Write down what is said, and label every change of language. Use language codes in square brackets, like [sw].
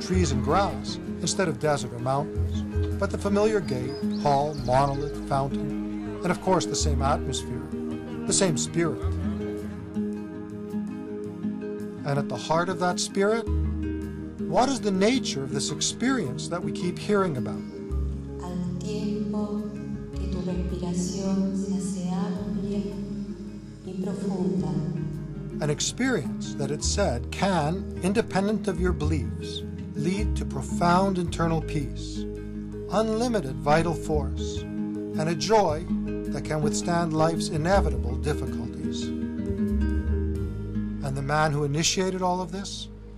[en] Trees and grass instead of desert or mountains, but the familiar gate, hall, monolith, fountain, and of course the same atmosphere, the same spirit. And at the heart of that spirit, what is the nature of this experience that we keep hearing about? [es] Al tiempo que tu respiración se hace amplia y profunda. [en] An experience that it said can, independent of your beliefs, lead to profound internal peace, unlimited vital force, and a joy that can withstand life's inevitable difficulties. And the man who initiated all of this?